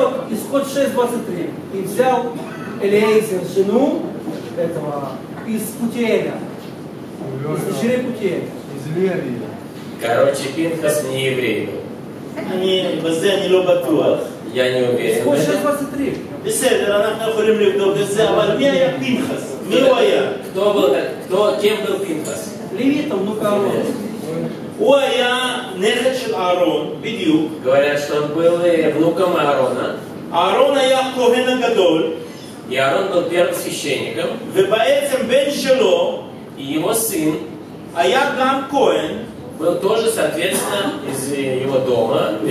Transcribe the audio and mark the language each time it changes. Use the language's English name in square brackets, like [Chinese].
[Russian] Исход 6.23. И взял Элиэзер жену этого из Путиэля, из дочерей Путиэля. Короче, Пинхас не еврей был. [Hebrew] אני בזה אני לא בטוח. [Russian] Я не уверен. Исход 6.23. [Hebrew] בסדר, אנחנו יכולים לבדוק את זה, אבל מי היה פינחס? מי הוא היה? [Russian] Кто был, кто, кем был Пинхас? Левит, внук Аарона. [Hebrew] הוא היה נכד של אהרון, בדיוק. [Russian] Говорят, что он был внуком Аарона. [Hebrew] Аарон היה כהן הגדול. [Russian] И Аарон был первым священником. [Hebrew] ובעצם בן שלו, [Russian] и его сын, [Hebrew] היה גם כהן, [Russian] был тоже, соответственно, из его дома.